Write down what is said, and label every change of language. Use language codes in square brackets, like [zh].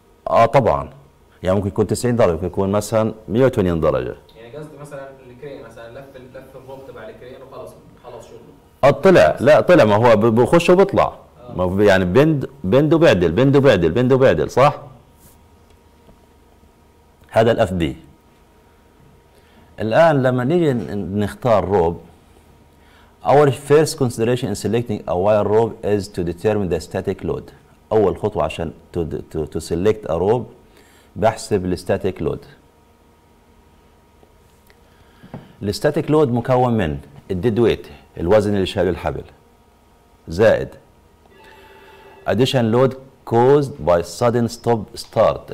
[ar] اه طبعا، يعني ممكن يكون 90 درجة، ممكن يكون مثلا 180 درجة. يعني قصدي مثلا الكرين، مثلا لف الروب تبع الكرين وخلص خلص شغله. طلع، لا طلع، ما هو بخش وبطلع. ما يعني بند وبعدل، بند وبعدل، بند وبعدل، صح؟ هذا الاف بي. الان لما نيجي نختار روب، [en] our first consideration in selecting a wire rope is to determine the static load. [ar] اول خطوه عشان [en] to select a rope [ar] بحسب الستاتيك لود. الستاتيك لود مكون من الديد ويت، الوزن اللي شايل الحبل، زائد [en] addition load caused by sudden stop start.